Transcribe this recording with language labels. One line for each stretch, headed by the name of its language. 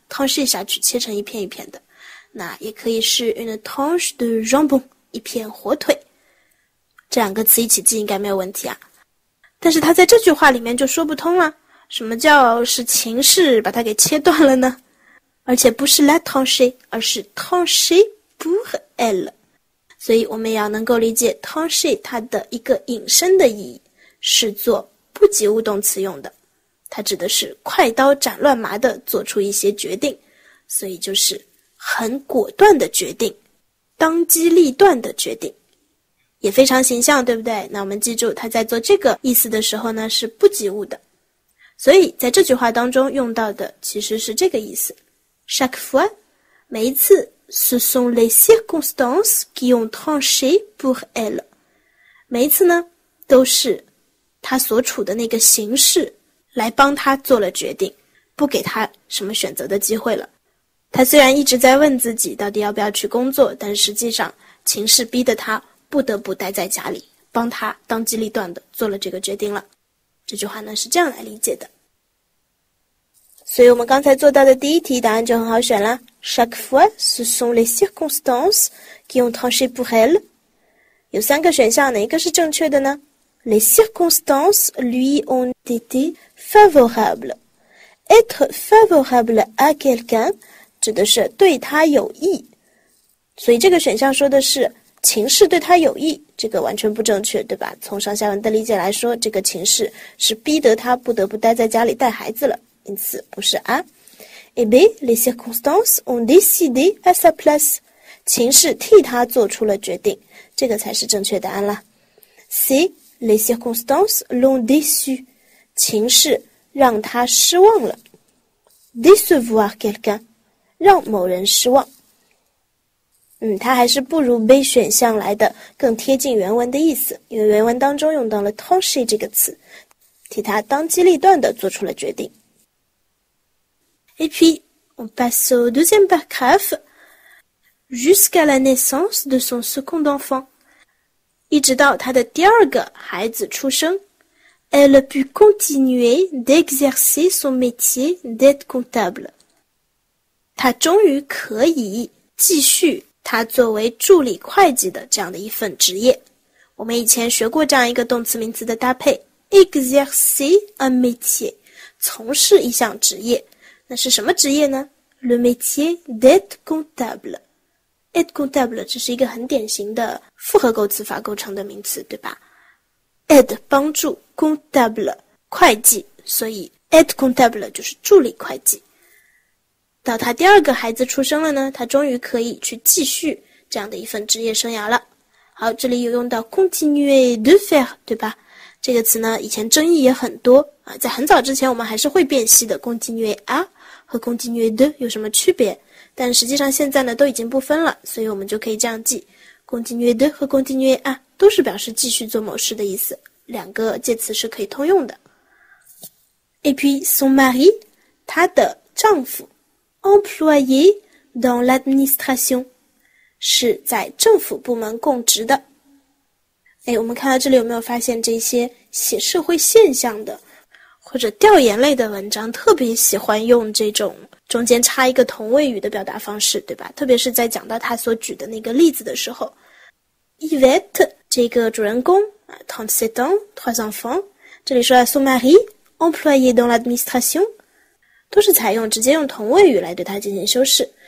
Chinese: tranche 下去切成一片一片的。那也可以是
French: une tranche de jambon，
Chinese: 一片火腿。这两个词一起记应该没有问题啊。但是它在这句话里面就说不通了，什么叫是情势把它给切断了呢？而且不是
French: la tranche，
Chinese: 而是
French: tranche pour elle。
Chinese: 所以我们也要能够理解 tranché 它的一个引申的意义，是做不及物动词用的，它指的是快刀斩乱麻的做出一些决定，所以就是很果断的决定，当机立断的决定，也非常形象，对不对？那我们记住它在做这个意思的时候呢，是不及物的。所以在这句话当中用到的其实是这个意思。
French: chaque fois，
Chinese: 每一次，
French: Ce sont les circonstances qui ont tranché pour elle.
Chinese: 每一次呢，都是她所处的那个形势来帮她做了决定，不给她什么选择的机会了。她虽然一直在问自己到底要不要去工作，但实际上情势逼得她不得不待在家里，帮她当机立断的做了这个决定了。这句话呢，是这样来理解的。所以我们刚才做到的第一题答案就很好选了。
French: Chaque fois, ce sont les circonstances qui ont tranché pour elle.
Chinese: 有三个选项，哪一个是正确的呢？
French: Les circonstances lui ont été favorables. Être favorable à quelqu'un
Chinese: 指的是对他有益。所以这个选项说的是情势对他有益，这个完全不正确，对吧？从上下文的理解来说，这个情势是逼得他不得不待在家里带孩子了，因此不是啊。
French: Et B, les circonstances ont décidé à sa place.
Chinese: 情势替他做出了决定，这个才是正确答案了。
French: C, les circonstances l'ont déçu.
Chinese: 情势让他失望了。
French: Décevoir quelqu'un,
Chinese: 让某人失望。他还是不如 B 选项来的更贴近原文的意思，因为原文当中用到了 tranché 这个词，替他当机立断地做出了决定。
French: Et puis, on passe au deuxième paragraphe, jusqu'à la naissance de son second enfant.
Chinese: 一直到她的第二个孩子出生，
French: elle put continuer d'exercer son métier d'aide comptable.
Chinese: 她终于可以继续她作为助理会计的这样的一份职业。我们以前学过这样一个动词名词的搭配，
French: exercer un métier,
Chinese: 从事一项职业。那是什么职业呢？
French: Le métier d'être comptable.
Chinese: Être comptable 这是一个很典型的复合构词法构成的名词，对吧？ Aide 帮助， comptable 会计，所以 être comptable 就是助理会计。到他第二个孩子出生了呢，他终于可以去继续这样的一份职业生涯了。好，这里有用到
French: continuer de faire，
Chinese: 对吧？这个词呢，以前争议也很多啊。在很早之前，我们还是会辨析的 continuer à 和 continuer de 有什么区别，但实际上现在呢，都已经不分了，所以我们就可以这样记 continuer de 和 continuer à 都是表示继续做某事的意思，两个介词是可以通用的。
French: Et puis son mari,
Chinese: 他的丈夫
French: employé dans l'administration
Chinese: 是在政府部门供职的。哎，我们看到这里有没有发现这些写社会现象的，或者调研类的文章，特别喜欢用这种中间插一个同位语的表达方式，对吧？特别是在讲到他所举的那个例子的时候，Yvette 这个主人公啊，
French: 37 ans, trois enfants，
Chinese: 这里说啊，
French: son mari employé dans l'administration，
Chinese: 都是采用直接用同位语来对他进行修饰。